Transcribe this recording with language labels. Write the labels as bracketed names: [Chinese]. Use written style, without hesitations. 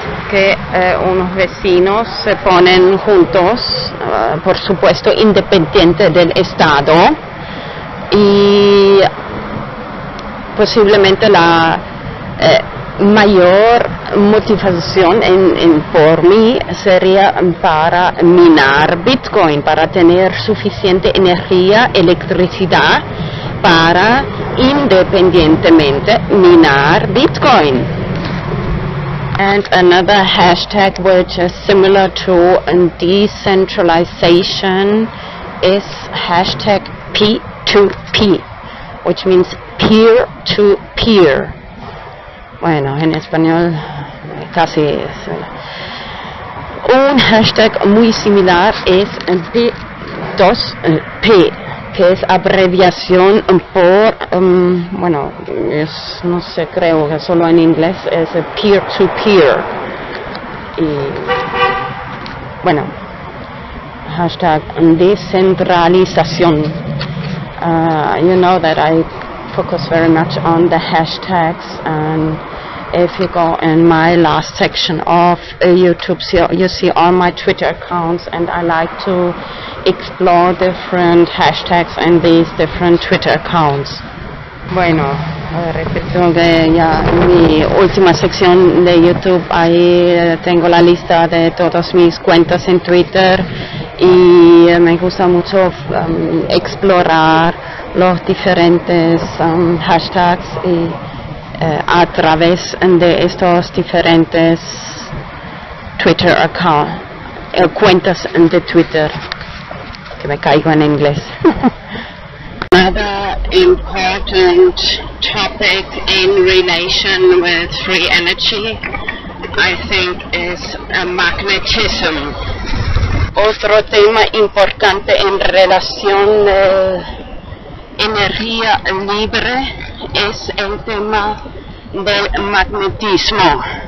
[Spanish] que unos vecinos se ponen juntos, por supuesto independiente del Estado, y posiblemente la mayor motivación por mí sería para minar Bitcoin, para tener suficiente energía, electricidad, para independientemente minar Bitcoin. [English] And another hashtag which is similar to decentralization is hashtag P2P, which means peer to peer. [Spanish] Bueno, en español casi es. Un hashtag muy similar es P2P, que es abreviación por, bueno, es, no sé, creo que solo en inglés es peer-to-peer. Y, bueno, hashtag decentralización. [English] You know that I focus very much on the hashtags, and if you go in my last section of YouTube, you see all my Twitter accounts, and I like to explore different hashtags in these different Twitter accounts. [Spanish] Bueno, repito que ya mi última sección de YouTube, ahí tengo la lista de todas mis cuentas en Twitter, y me gusta mucho explorar los diferentes hashtags y a través de estos diferentes Twitter account, cuentas de Twitter, que me caigo en inglés. [English] Another important topic in relation with free energy, I think, is magnetism. [Spanish] Otro tema importante en relación de energía libre es el tema del magnetismo.